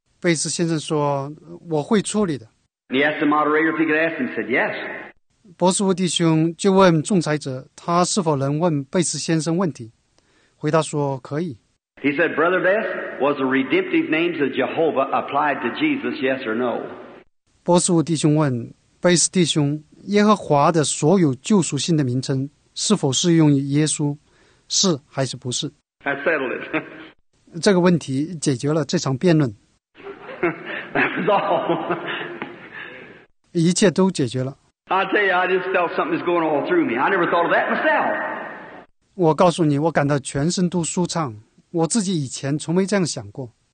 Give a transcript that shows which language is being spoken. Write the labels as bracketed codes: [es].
[zh] 贝斯先生说，我会处理的。 [en] And he asked the moderator if he could ask, and said, "Yes." [zh] 博士沃弟兄就问仲裁者，他是否能问贝斯先生问题。回答说，可以。 [en] He said, "Brother Beth, was the redemptive names of Jehovah applied to Jesus, yes or no?" [zh] 波斯沃弟兄问，贝斯弟兄，耶和华的所有救赎性的名称是否适用于耶稣，是还是不是？ [en] I settled it. [zh] 这个问题解决了这场辩论。 [en] That was all. [zh] 一切都解决了。 [en] I'll tell you, I just felt something was going all through me. I never thought of that myself. [zh] 我告诉你，我感到全身都舒畅。我自己以前从没这样想过。